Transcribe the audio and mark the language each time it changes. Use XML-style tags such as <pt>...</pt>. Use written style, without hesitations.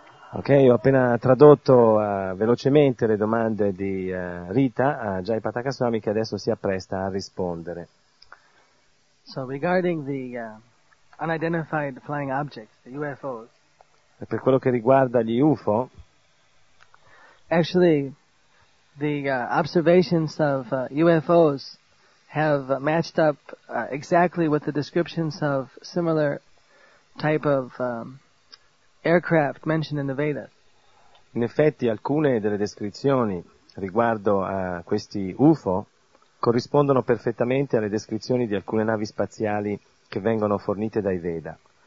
<it>Ho appena tradotto velocemente le domande di Rita a Jai Pataka Swami, che adesso si appresta a rispondere.</it> <en>So regarding the unidentified flying objects, the UFOs.</en> <it>E per quello che riguarda gli UFO.</it> <en>Actually, the observations of UFOs have matched up exactly with the descriptions of similar type of aircraft mentioned in the Vedas.</en> <it>In effetti, alcune delle descrizioni riguardo a questi UFO corrispondono perfettamente alle descrizioni di alcune navi spaziali che vengono fornite dai Veda.</it>